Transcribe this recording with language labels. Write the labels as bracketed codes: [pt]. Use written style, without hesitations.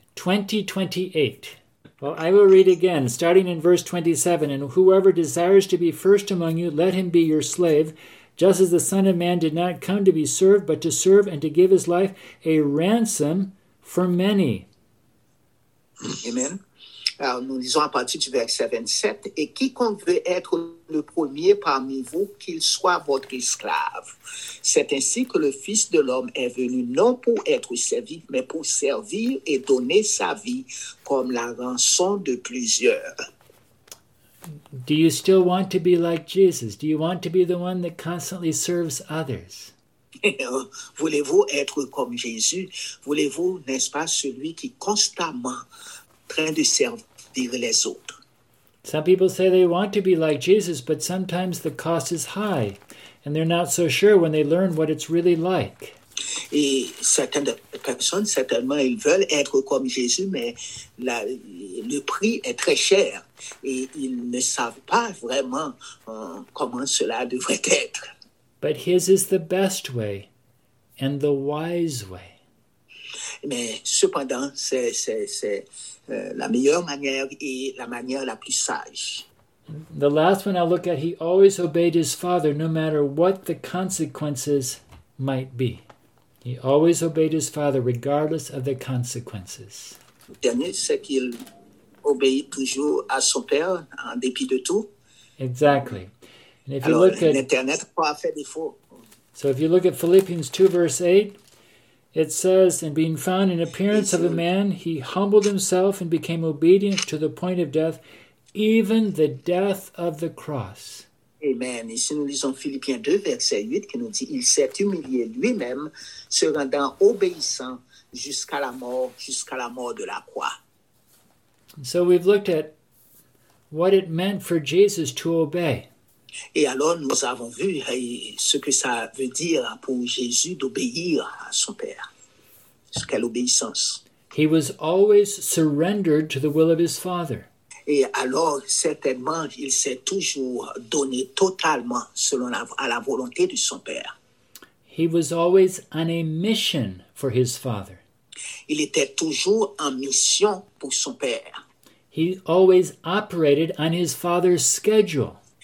[en] 20:28. Well, I will read again, starting in verse 27. And whoever desires to be first among you, let him be your slave. Just as the Son of Man did not come to be served, but to serve and to give his life a ransom for many. Amen. [fr] Alors, nous lisons à partir du verset 27, « Et quiconque veut être le premier parmi vous, qu'il soit votre esclave. C'est ainsi que le Fils de l'homme est venu non pour être servi, mais pour servir et donner sa vie comme la rançon de plusieurs. » [en] Do you still want to be like Jesus? Do you want to be the one that constantly serves others? [fr] Voulez-vous être comme Jésus? Voulez-vous, n'est-ce pas, celui qui constamment train de servir les autres? [en] Some people say they want to be like Jesus, but sometimes the cost is high, and they're not so sure when they learn what it's really like. [fr] Et certaines personnes, certainement, ils veulent être comme Jésus, mais le prix est très cher, et ils ne savent pas vraiment comment cela devrait être. [en] But his is the best way, and the wise way. [fr] Mais cependant, c'est la meilleure manière et la manière la plus sage. [en] The last one I look at, he always obeyed his father no matter what the consequences might be. He always obeyed his father regardless of the consequences. [fr] Le dernier, c'est qu'il obéit toujours à son père en dépit de tout. [en] Exactly. And if [fr] Alors, [en] you look at, [fr] l'Internet peut avoir fait défaut. [en] So if you look at Philippians 2, verse 8, it says, and being found in appearance of a man, he humbled himself and became obedient to the point of death, even the death of the cross. Amen. [fr] Ici, nous lisons Philippiens 2, verset 8, qui nous dit, il s'est humilié lui-même, se rendant obéissant jusqu'à la mort de la croix. [en] So we've looked at what it meant for Jesus to obey. [fr] Et alors, nous avons vu ce que ça veut dire pour Jésus d'obéir à son Père. Quelle obéissance. [en] He was always surrendered to the will of his Father. [fr] Et alors, certainement, il s'est toujours donné totalement selon à la volonté de son Père. [en] He was always on a mission for his Father. [fr] Il était toujours en mission pour son Père. [en] He always operated on his Father's schedule.